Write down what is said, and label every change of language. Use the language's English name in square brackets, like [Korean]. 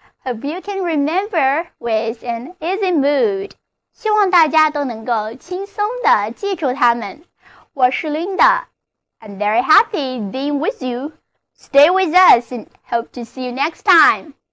[English] Hope you can remember with an easy mood. [Chinese] 希望大家都能够轻松地记住它们。我是 [English] Linda. I'm very happy being with you. Stay with us and hope to see you next time.